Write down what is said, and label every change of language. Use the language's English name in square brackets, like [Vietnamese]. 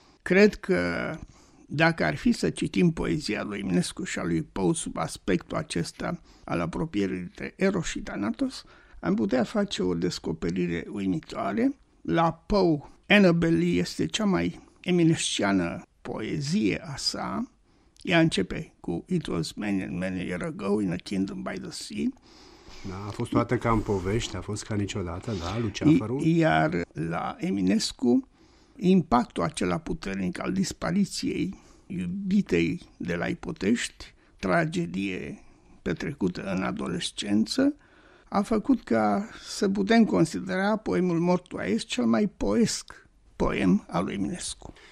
[Romanian] Cred că dacă ar fi să citim poezia lui Eminescu și a lui Poe sub aspectul acesta al apropierii de Eros și Thanatos, am putea face o descoperire uimitoare. La Poe, Annabel Lee este cea mai eminesciană poezie a sa. Ea începe cu [English] It was many and many years ago in a kingdom by the sea. [Romanian] Da, a fost toată ca în povești, a fost ca niciodată, da, Luceafărul. Iar la Eminescu, impactul acela puternic al dispariției iubitei de la Ipotești, tragedie petrecută în adolescență, a făcut ca să putem considera poemul Mortuaesc cel mai poesc poem al lui Eminescu.